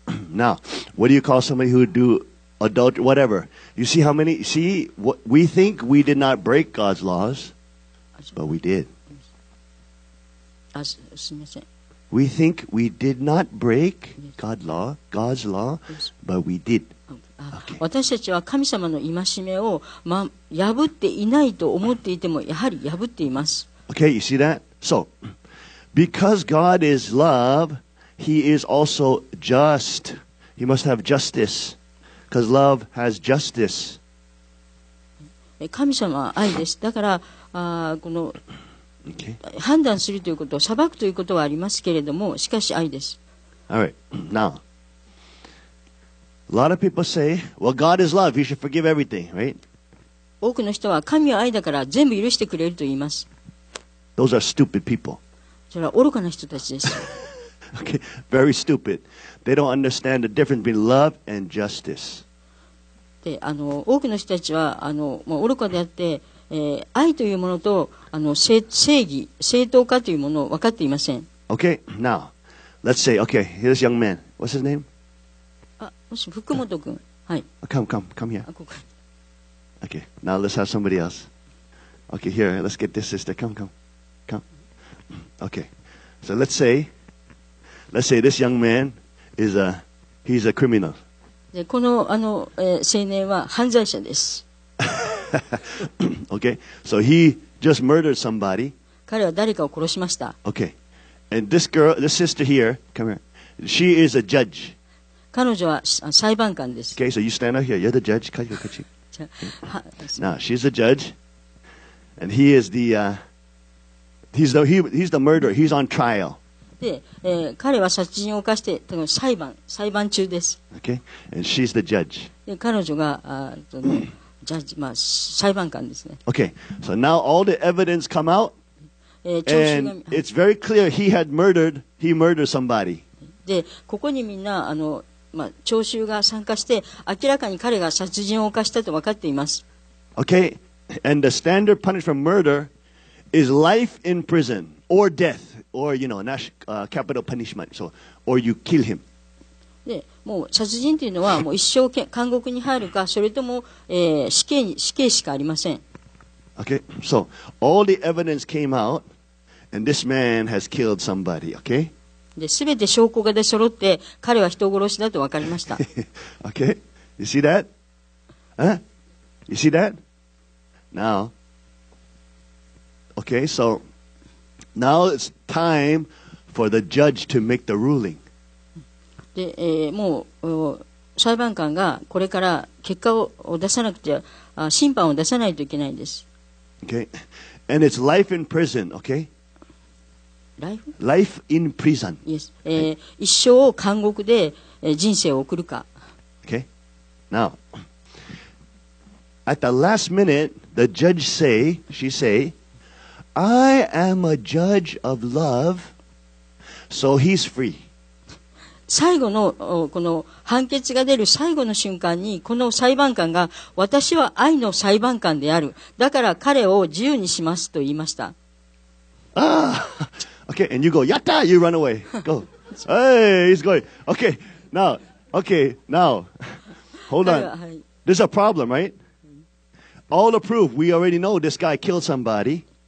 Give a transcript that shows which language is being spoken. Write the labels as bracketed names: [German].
[English] Now, what do you call somebody who do adultery, whatever? You see how many? See, what, we think we did not break God's laws, but we did. We think we did not break God's law, but we did. Okay. [Japanese] 私たちは神様の戒めを、ま、破っていないと思っていてもやはり破っています。 [English] Okay, you see that? So, because God is love, He is also just. He must have justice. Because love has justice. [Japanese] 神様は愛です。だから、この、okay. 判断するということ、裁くということはありますけれども、しかし愛です。 [English] All right, now. A lot of people say, well, God is love. He should forgive everything, right? [Japanese] 多くの人は神は愛だから全部許してくれると言います。 [English] Those are stupid people. [Japanese] それは愚かな人たちです。 [English] Okay, very stupid. They don't understand the difference between love and justice. [Japanese] で、多くの人たちは、もう愚かであって、愛というものと、正義、正当化というものを分かっていません。 [English] Okay, now, let's say, okay, here's this young man. What's his name? [Japanese] 福本君、はい。 [English] Come here. Okay, now let's have somebody else. Okay, here, let's get this sister. Come. Okay, so let's say this young man is he's a criminal. [Japanese] で、この、青年は犯罪者です。 [English] Okay, so he just murdered somebody. [Japanese] 彼は誰かを殺しました。 [English] Okay, and this girl, this sister here, come here, she is a judge. [Japanese] 彼女は裁判官です。 [English] Okay, so you stand out here. You're the judge. Okay. Now, she's the judge. And he is the, he's the murderer. He's on trial. [Japanese] で、彼は殺人を犯して、裁判中です。 [English] Okay, and she's the judge. [Japanese] で、彼女が、ジャッジ、まあ、裁判官ですね。 [English] Okay, so now all the evidence come out. And it's very clear he murdered somebody. [Japanese] で、ここにみんな、まあ、聴衆が参加して明らかに彼が殺人を犯したと分かっています。 [English] Okay, and the standard punishment for murder is life in prison or death or you know, capital punishment. So, or you kill him. [Japanese] で、もう殺人というのはもう一生監獄に入るかそれとも、死刑しかありません。 [English] Okay, so all the evidence came out, and this man has killed somebody. Okay. [Japanese] で、全て証拠が出揃って彼は人殺しだと分かりました。 [English] okay? You see that? Huh? You see that? Now, okay, so now it's time for the judge to make the ruling. [Japanese] で、もう裁判官がこれから結果を出さなくて、審判を出さないといけないんです。 [English] Okay? And it's life in prison, okay? Life in prison. [Japanese] Yes. Okay. 一生を監獄で人生を送るか。 [English] Okay. Now, at the last minute, the judge say, she say, I am a judge of love, so he's free. [Japanese] 最後のこの判決が出る最後の瞬間にこの裁判官が私は愛の裁判官である。だから彼を自由にしますと言いました。 Ah. [English] Okay, and you go, yatta, you run away. Go. Hey, he's going. Okay, now, hold on. This is a problem, right? All the proof, we already know this guy killed somebody.